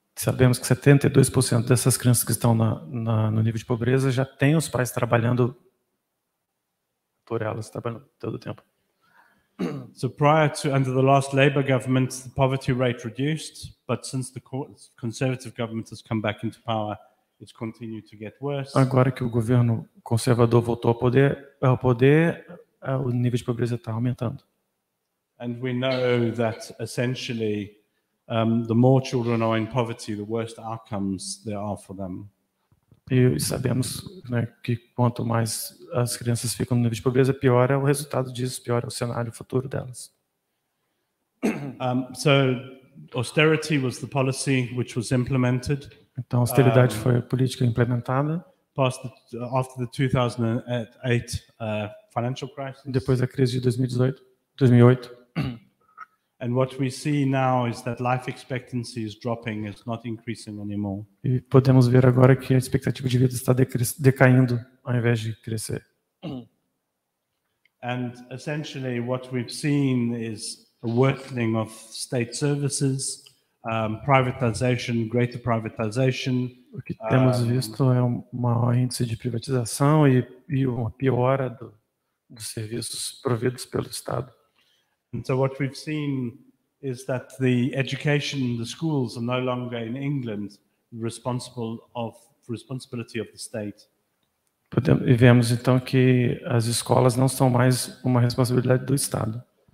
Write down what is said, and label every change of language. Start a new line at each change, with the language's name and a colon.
Portuguese: Sabemos que 72% dessas crianças que estão no nível de pobreza já têm os pais trabalhando por elas, trabalhando todo o tempo.
English: So prior to under the last Labour government, the poverty rate reduced, but since the Conservative government has come back into power, it's continued to get worse.
Portuguese: Agora que o governo conservador voltou ao poder, o nível de pobreza está aumentando.
English: And we know that essentially, the more children are in poverty, the worse outcomes there are for them.
Portuguese: E sabemos, né, que quanto mais as crianças ficam no nível de pobreza, pior é o resultado disso, pior é o cenário futuro delas.
English: So austerity was the policy which was implemented.
Portuguese: Então austeridade foi a política implementada.
English: After the 2008 financial crisis.
Portuguese: Depois da crise de 2008.
English: And what we see now is that life expectancy is dropping, it's not increasing anymore.
Portuguese: E podemos ver agora que a expectativa de vida está decaindo ao invés de crescer.
English: And essentially what we've seen is a worsening of state services, privatization, greater privatization.
Portuguese: O que temos visto é um maior índice de privatização e uma piora dos serviços providos pelo Estado.
English: And so what we've seen is that the education, the schools are no longer in England responsibility of the state.
Portuguese: E vemos então que as escolas não são mais uma responsabilidade do Estado.